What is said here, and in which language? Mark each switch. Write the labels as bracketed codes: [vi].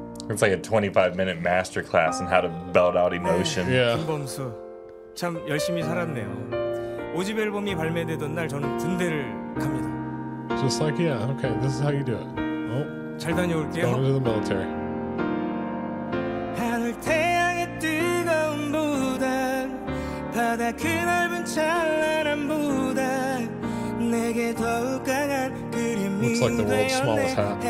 [en] It's like a 25-minute masterclass on how to belt out emotion. Yeah. [ko] 김범수 참 열심히 살았네요. 5집 앨범이 발매되던 날 저는 군대를 갑니다. [en] Just like yeah, okay, this is how you do it. Oh. [ko] 잘 다녀올게요. [en] Going to the military. [ko] 하늘 태양의 뜨거운 부담, 바다 그 넓은 찬란한 부담, 내게 더욱 강한 그림이 되었네.